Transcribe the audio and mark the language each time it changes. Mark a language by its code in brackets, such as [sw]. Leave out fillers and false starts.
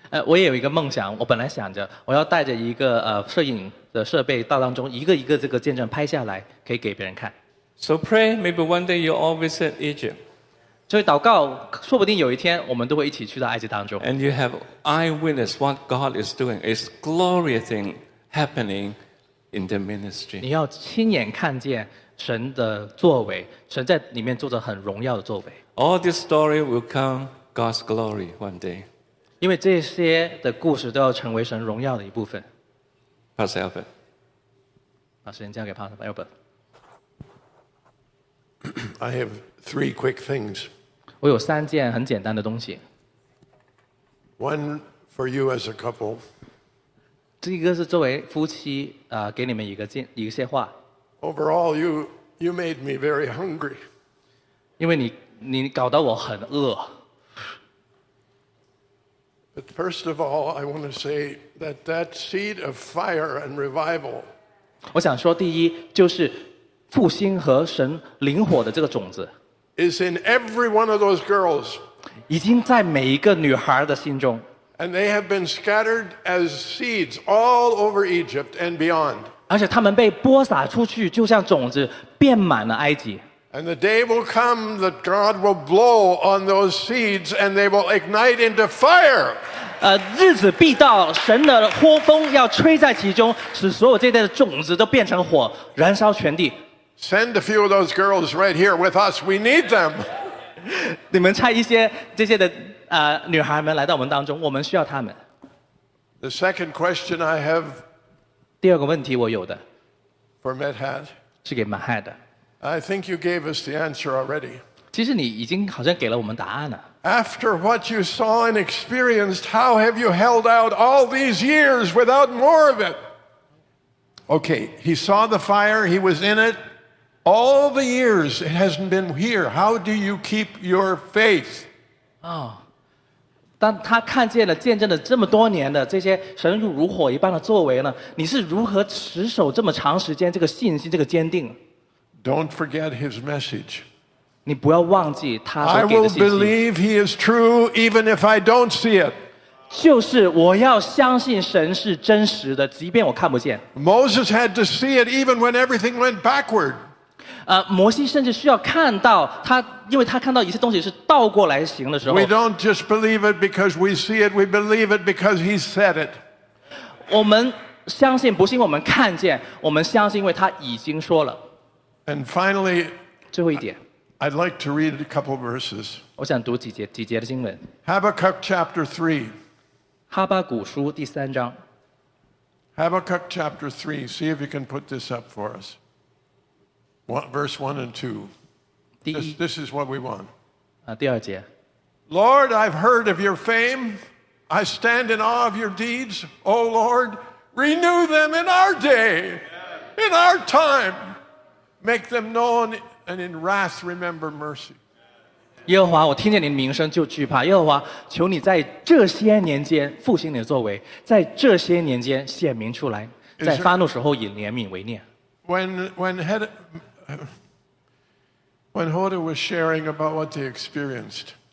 [zh] 我也有一个梦想。我本来想着，我要带着一个摄影的设备到当中，一个一个这个见证拍下来，可以给别人看。 [en] So pray, maybe one day you all visit Egypt. [zh] 所以祷告，说不定有一天我们都会一起去到埃及当中。 [en] And you have. Eyewitness what God is doing. It's a glorious thing happening in the ministry. [zh] 你要亲眼看见神的作为，神在里面做着很荣耀的作为。 [en] All this story will come God's glory one day. [zh] 因为这些的故事都要成为神荣耀的一部分。 [en] Pastor Albert. [zh] 把时间交给 Pastor Albert. [en] I have three quick things. [zh] 我有三件很简单的东西。 [en] One for you as a couple. [zh] 这一个是作为夫妻给你们一些话。 [en] Overall, you made me very hungry. [zh] 因为你搞得我很饿。 [en] But first of all, I want to say that seed of fire and revival. [zh] 我想说，第一就是复兴和神灵火的这个种子。 [en] Is in every one of those girls. [zh] 已经在每一个女孩的心中。 [en] And they have been scattered as seeds all over Egypt and beyond. [zh] 而且他们被播撒出去，就像种子遍满了埃及。 [en] And the day will come that God will blow on those seeds and they will ignite into fire. [zh] 日子必到，神的火风要吹在其中，使所有这些种子都变成火，燃烧全地。 [en] Send a few of those girls right here with us. We need them. [zh] 你们差一些这些的女孩们来到我们当中，我们需要她们。 [en] The second question I have. [zh] 第二个问题我有的。 [en] For Madhat. [zh] 是给 Madhat 的。 [en] I think you gave us the answer already. [zh] 其实你已经好像给了我们答案了。 [en] After what you saw and experienced, how have you held out all these years without more of it? Okay, he saw the fire, he was in it. All the years it hasn't been here. How do you keep your faith? [zh] 当他看见了见证了这么多年的这些神如火一般的作为呢，你是如何持守这么长时间这个信心这个坚定？ [en] Don't forget his message. [zh] 你不要忘记他所给的信息。 [en] I will believe he is true even if I don't see it. [zh] 就是我要相信神是真实的，即便我看不见。 [en] Moses had to see it even when everything went backward. [zh] 摩西甚至需要看到他，因为他看到一些东西是倒过来行的时候。 [en] We don't just believe it because we see it. We believe it because he said it. [zh] 我们相信不是因为我们看见，我们相信因为他已经说了。 [en] And finally, [zh] 最后一点 [en] I'd like to read a couple of verses. [zh] 我想读几节的经文。 [en] Habakkuk chapter 3. [zh] 哈巴谷书第三章。 [en] Habakkuk chapter 3. See if you can put this up for us. Verse 1 and 2. This is what we want. [zh] 第二节。 [en] Lord, I've heard of your fame. I stand in awe of your deeds. Oh Lord, renew them in our day, in our time. Make them known, and in wrath remember mercy. [zh] 耶和华，我听见你的名声就惧怕。耶和华，求你在这些年间复兴你的作为，在这些年间显明出来，在发怒时候以怜悯为念。 [en] When Hoda was sharing about what they experienced,